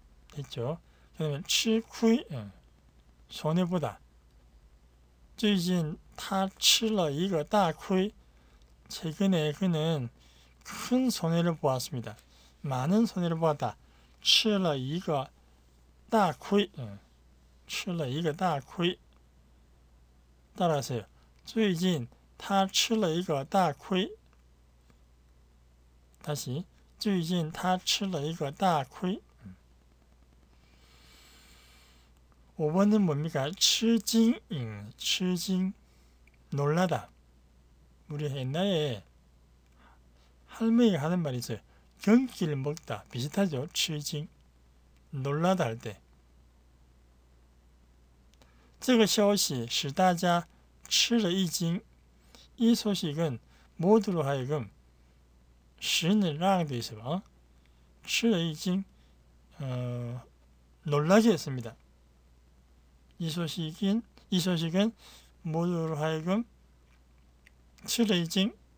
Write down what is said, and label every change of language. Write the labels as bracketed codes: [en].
[ko] 됐죠? 그러면 吃亏, 손해보다. [zh] 最近他吃了一个大亏. [ko] 최근에 그는 큰 손해를 보았습니다. 많은 손해를 보았다. [zh] 吃了一个大亏, 吃了一个大亏. [ko] 따라하세요. [zh] 最近他吃了一个大亏. [ko] 다시. [zh] 最近他吃了一个大亏. [ko] 5번은 뭡니까? 吃惊, 吃惊.놀라다. 우리 옛날에 할머니가 하는 말이 있어요. 경기를 먹다. 비슷하죠? 吃惊.놀라다 할 때. [zh] 这个消息使大家吃了一惊. [ko] 이 소식은 모두로 하여금 신을 랑도 있어요. [zh] 吃了一惊. [ko] 놀라게 했습니다. 이 소식은 모두로 하여금 [zh] 吃了一惊.